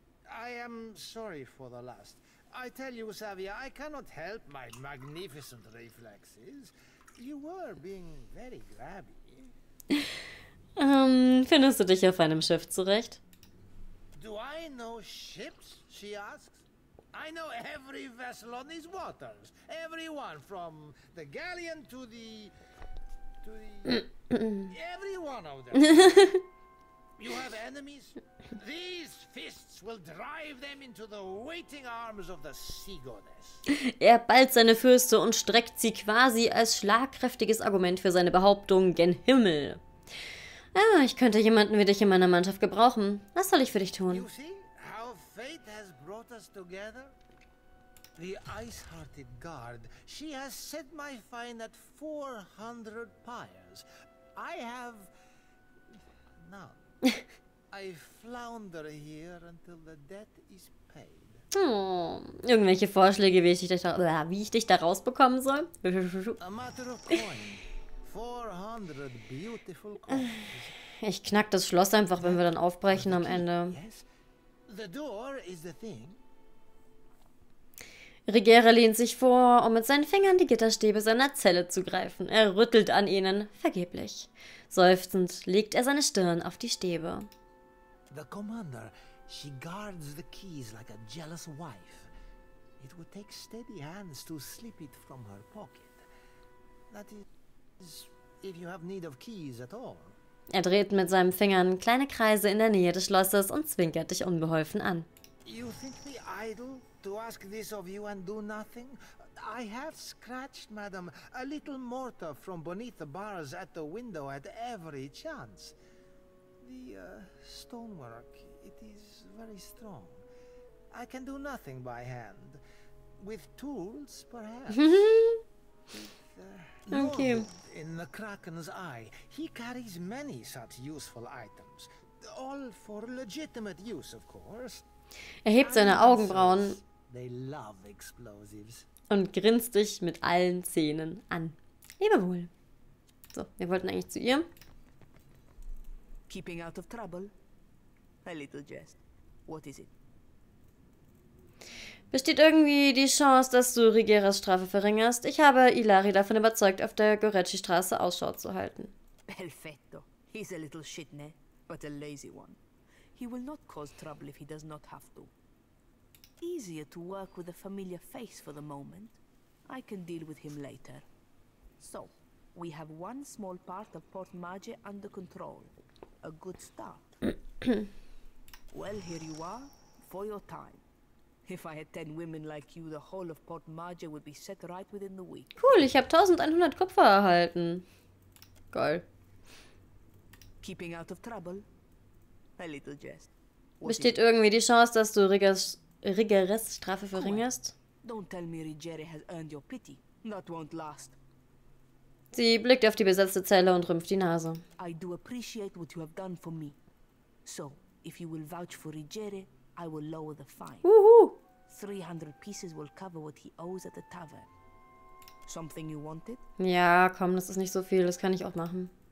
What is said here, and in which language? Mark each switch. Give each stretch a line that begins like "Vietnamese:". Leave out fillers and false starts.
English: I am sorry for the last. I tell you, Savia, I cannot help my magnificent reflexes. You were being very grabby.
German: findest du dich auf einem Schiff zurecht?
English: Do I know ships, she asks? I know every vessel on these waters. Every one from the galleon to the... every one of them. You have enemies? These fists will drive them into the waiting arms of the sea goddess.
German: Er ballt seine Fürste und streckt sie quasi als schlagkräftiges Argument für seine Behauptung gen Himmel. Ah, ich könnte jemanden wie dich in meiner Mannschaft gebrauchen. Was soll ich für dich tun?
English: You see how fate has brought us together? The ice-hearted guard, she has set my fine at 400 pyres. I have none. I flounder here until the debt is paid.
German: Oh, irgendwelche Vorschläge, wie ich dich da rausbekommen soll?
English: A matter of coin. 400 beautiful coins.
German: Ich knack das Schloss einfach, wenn wir dann aufbrechen am Ende.
English: The door is the thing.
German: Rigere lehnt sich vor, um mit seinen Fingern die Gitterstäbe seiner Zelle zu greifen. Er rüttelt an ihnen, vergeblich. Seufzend legt er seine Stirn auf die Stäbe.
English: The commander, she guards the keys like a jealous wife. It would take steady hands to slip it from her pocket. That is, if you have need of keys at all.
German: Er dreht mit seinen Fingern kleine Kreise in der Nähe des Schlosses und zwinkert dich unbeholfen an.
English: You think me idle to ask this of you and do nothing? I have scratched, madam, a little mortar from beneath the bars at the window at every chance. The stonework, it is very strong. I can do nothing by hand. With tools, perhaps. Thank you. In the Kraken's eye, he carries many such useful items. All for legitimate use, of course.
German: Er hebt seine Augenbrauen.
English: They love explosives.
German: Und grinst dich mit allen Zähnen an. Lebewohl. So, wir wollten eigentlich zu ihr.
English: Keeping out of trouble. A little jest. What is it?
German: Besteht irgendwie die Chance, dass du Rigeras Strafe verringerst? Ich habe Ilari davon überzeugt, auf der Goretti-Straße Ausschau zu halten.
English: Perfetto. He's a little shit, ne? But a lazy one. He will not cause trouble if he does not have to. Easier to work with a familiar face for the moment. I can deal with him later. So, we have one small part of Port Mage under control. A good start. Well, here you are, for your time. If I had 10 women like you, the whole of Port Marge would be set right within the week.
German: Cool, ich habe 1100 Kupfer erhalten. Geil.
English: Keeping out of trouble. A little jest.
German: Besteht irgendwie die Chance, dass du Riggers Strafe verringerst?
English: Don't tell me Rigeri has earned your pity. That won't last.
German: Sie blickt auf die besetzte Zelle und rümpft die Nase.
English: I do appreciate what you have done for me. So, if you will vouch for Rigeri, I will lower the fine. Uhu. 300 pieces will cover what he owes at the tavern. Something you wanted?
German: Ja, komm, das ist nicht so viel, das kann ich auch machen.